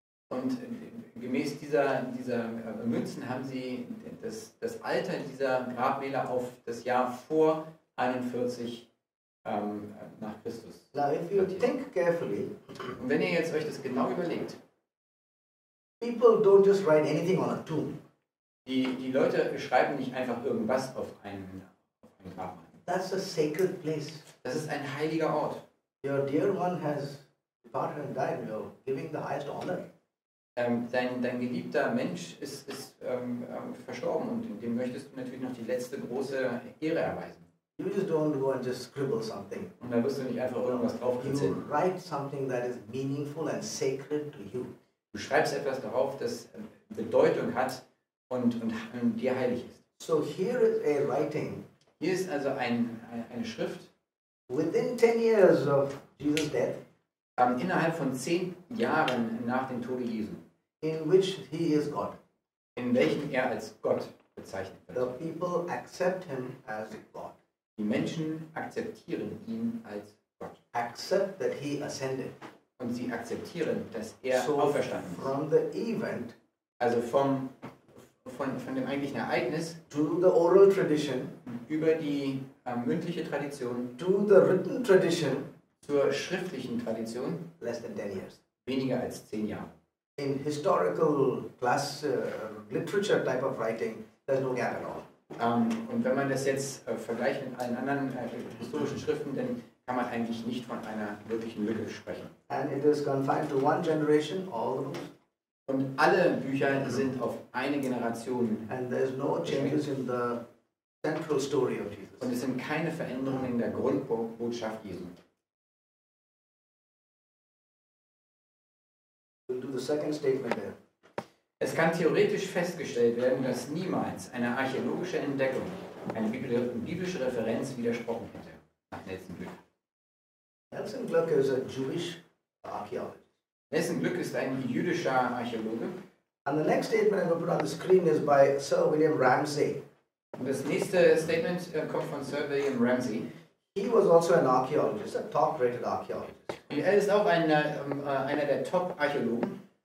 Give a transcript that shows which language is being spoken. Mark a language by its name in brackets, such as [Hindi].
[German] Und gemäß dieser Münzen haben sie das Alter dieser Grabmäler auf das Jahr vor 41 nach Christus. [English] Now, if you think carefully, [German] und wenn ihr jetzt euch das genau überlegt, [English] people don't just write anything on a tomb. [German] Die Leute schreiben nicht einfach irgendwas auf ein Grabmal. [English] That's a sacred place. [German] Das ist ein heiliger Ort. [English] Your dear one has departed and died, you're giving the highest honor. [German] Dein geliebter Mensch ist verstorben und dem möchtest du natürlich noch die letzte große Ehre erweisen. [English] You just don't go and just scribble something. [German] Und da wirst du nicht einfach irgendwas draufkritzeln. [English] You write something that is meaningful and sacred to you. [German] Du schreibst etwas darauf, das Bedeutung hat und dir heilig ist. [English] So here is a writing. [German] Hier ist also eine Schrift. [English] Within 10 years of Jesus' death. [German] Innerhalb von 10 Jahren nach dem Tode Jesu. [English] In which he is God. [German] In welchem er als Gott bezeichnet wird. [English] The people accept him as God. [German] Die Menschen akzeptieren ihn als Gott. [English] Accept that he ascended. [German] Und sie akzeptieren, dass er so auferstanden ist. [English] From the event. [German] Also von dem eigentlichen Ereignis. [English] To the oral tradition. [German] Über die mündliche Tradition. [English] To the written tradition. [German] Zur schriftlichen Tradition. [English] Less than 10 years. [German] Weniger als 10 Jahre. [English] In historical class literature type of writing, there's no gap at all. [German] Und wenn man das jetzt vergleicht mit allen anderen historischen Schriften, dann kann man eigentlich nicht von einer wirklichen Lücke sprechen. [English] And it is confined to one generation, all the books. [German] Und alle Bücher sind auf eine Generation. [English] And there's no changes in the central story of Jesus. [German] Und es sind keine Veränderungen in der Grundbotschaft Jesu. [English] We'll do the second statement there. [German] Es kann theoretisch festgestellt werden, dass niemals eine archäologische Entdeckung eine biblische Referenz widersprochen hätte. Nach Nelson Glück. Nelson Glück ist ein jüdischer Archäologe. Nelson Glück ist ein jüdischer Archäologe. [English] And the next statement I'm going to put on the screen is by Sir William Ramsay. [German] Und das nächste Statement kommt von Sir William Ramsay. [English] He was also an archaeologist, a top-rated archaeologist. [German] Und er ist auch einer der Top-Archäologen.